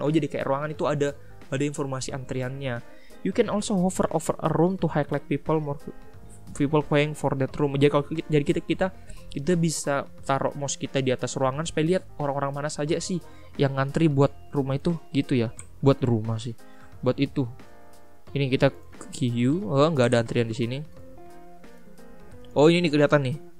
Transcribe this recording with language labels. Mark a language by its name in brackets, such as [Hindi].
[Indonesian] Oh, jadi kayak ruangan itu ada informasi antriannya. [English] You can also hover over a room to highlight people, more people paying for that room. [Indonesian] Jadi kalau kita bisa taruh mouse kita di atas ruangan supaya lihat orang-orang mana saja sih yang ngantri buat rumah itu, gitu ya. Buat rumah sih. Buat itu. Ini kita queue. Oh, enggak ada antrian di sini. Oh, ini nih kelihatan nih.